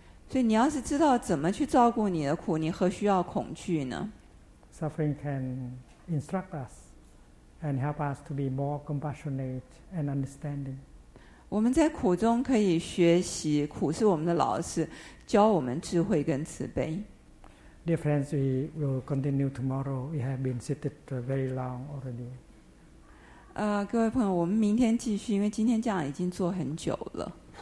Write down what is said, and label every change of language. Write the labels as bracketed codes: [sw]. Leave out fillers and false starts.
[zh] 所以你要是知道怎么去照顾你的苦，你何需要恐惧呢？ [en] Suffering can instruct us. And help us to be more compassionate and understanding. [zh] 我们在苦中可以学习，苦是我们的老师，教我们智慧跟慈悲。 [en] Dear friends, we will continue tomorrow. We have been seated very long already. [zh] 各位朋友，我们明天继续，因为今天这样已经坐很久了。